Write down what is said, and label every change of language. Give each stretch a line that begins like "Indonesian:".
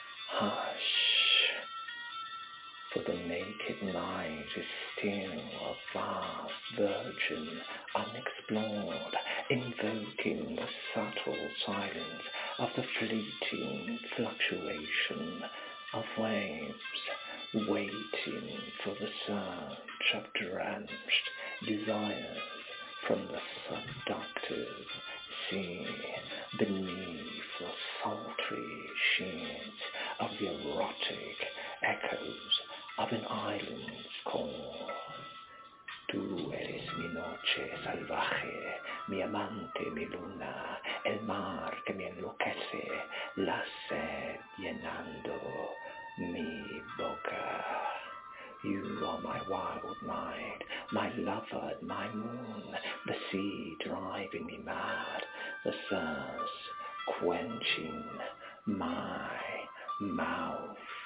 English: Hush, for the naked night is still a vast virgin unexplored, invoking the subtle silence of the fleeting fluctuation of waves, waiting for the surge of drenched desires from the seductive sea beneath the sultry sheets of the erotic echoes of an island's call.
Spanish: Tú eres mi noche salvaje, mi amante, mi luna, el mar que me enloquece, la sed llenando mi boca.
English: You are my wild night, my lover, my moon, the sea driving me mad, the thirst quenching my mouth.